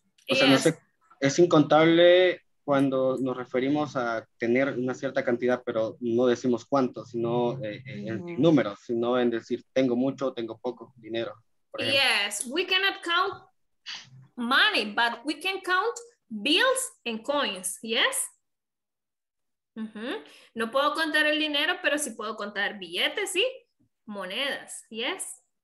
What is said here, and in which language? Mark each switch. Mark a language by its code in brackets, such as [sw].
[es] O sea, no sé, es incontable cuando nos referimos a tener una cierta cantidad, pero no decimos cuánto, sino en números, sino en decir tengo mucho o tengo poco dinero. [en] Yes, we cannot count money, but we can count bills and coins, yes? Mm-hmm. [es] No puedo contar el dinero, pero sí puedo contar billetes y monedas, yes?